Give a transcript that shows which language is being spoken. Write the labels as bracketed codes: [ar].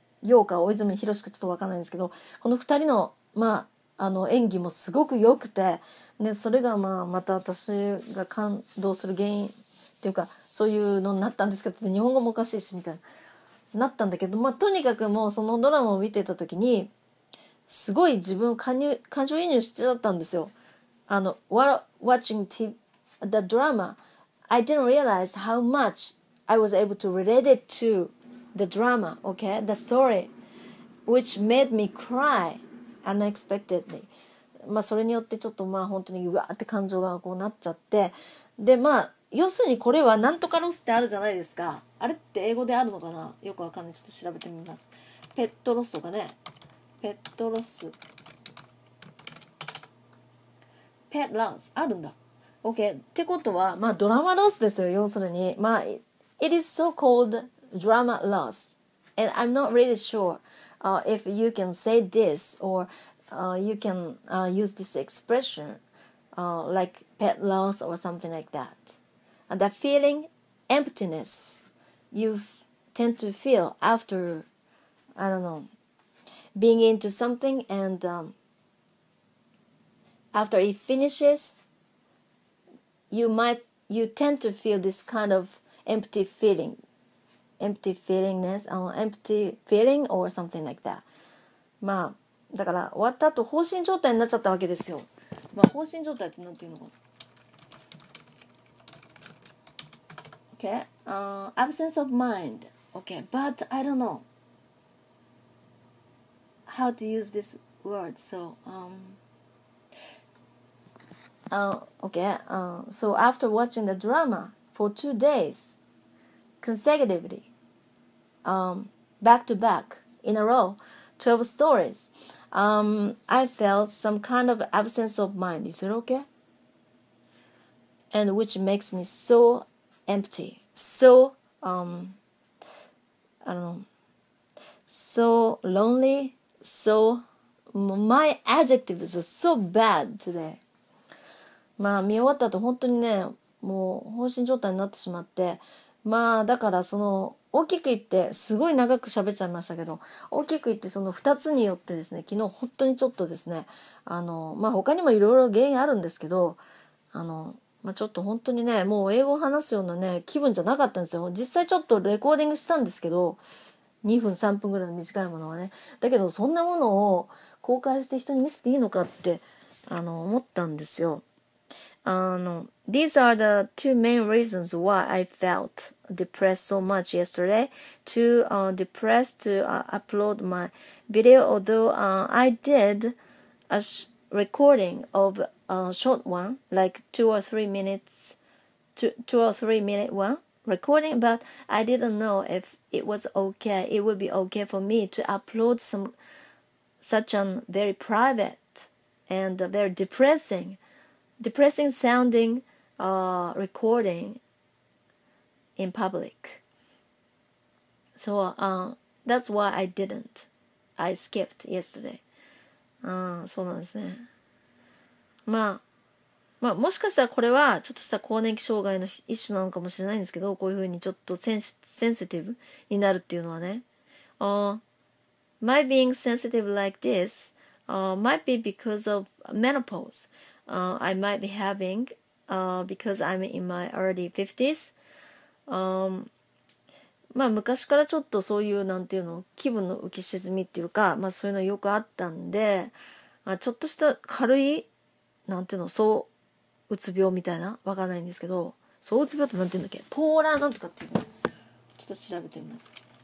[ja] ヨーカ、大泉ヒロシかちょっとわかんないんですけど、この二人の、まあ、演技もすごく良くて、ね、それがまあ、また私が感動する原因っていうか、そういうのになったんですけど、日本語もおかしいし、みたいな、なったんだけど、まあ、とにかくもうそのドラマを見てた時に、すごい自分を感情移入してたんですよ。 [en] Watching the drama, I didn't realize how much I was able to relate it to. The drama, okay? The story, which made me cry unexpectedly. [ja] まあ、それによってちょっとまあ本当にうわーって感情がこうなっちゃって。で、まあ、要するにこれはなんとかロスってあるじゃないですか。あれって英語であるのかな?よくわかんない。ちょっと調べてみます。ペットロスとかね。ペットロス。ペットランス。あるんだ。 [en] Okay? [ja] ってことは、まあ、ドラマロスですよ。要するに。まあ、 [en] It is so called... Drama loss, and I'm not really sure if you can say this or you can use this expression like pet loss or something like that. And that feeling, emptiness, you tend to feel after, I don't know, being into something and after it finishes, you tend to feel this kind of empty feeling. Empty feelingness, empty feeling or something like that. [ja] まあ、だから終わった後、放心状態になっちゃったわけですよ。まあ、放心状態ってなんていうのかな。 [en] Okay, absence of mind. Okay, but I don't know how to use this word. So, so after watching the drama for 2 days consecutively, back to back in a row, 12 stories, I felt some kind of absence of mind. Is it okay? And which makes me so empty. So, I don't know, so lonely, so, my adjectives are so bad today. [ja] まあ見終わった後本当にね、もう放心状態になってしまって、まあだからその大きく言って、すごい長く喋っちゃいましたけど、大きく言ってその2つによってですね、昨日本当にちょっとですね、まあ他にもいろいろ原因あるんですけど、まあ、ちょっと本当にね、もう英語を話すようなね、気分じゃなかったんですよ。実際ちょっとレコーディングしたんですけど、2分3分ぐらいの短いものはね。だけどそんなものを公開して人に見せていいのかって、思ったんですよ。 [en] These are the two main reasons why I felt depressed so much yesterday. Too depressed to upload my video, although I did a recording of a short one, like two or three minute one recording, but I didn't know if it was okay, it would be okay for me to upload such a very private and very depressing sounding recording in public. So that's why I skipped yesterday. [ja] そうなんですね。まあ、まあ、もしかしたらこれはちょっとした更年期障害の一種なのかもしれないんですけど、こういうふうにちょっとセンシティブになるっていうのはね。 [en] My being sensitive like this might be because of menopause. I might be having because I'm in my early 50s. [ja] まあ昔からちょっとそういうなんていうの、気分の浮き沈みっていうか、まあそういうのよくあったんで、まあ、ちょっとした軽いなんていうの、そううつ病みたいな、わかんないんですけど、そううつ病ってなんていうんだっけ、ポーラーなんとかっていうの、ちょっと調べてみます。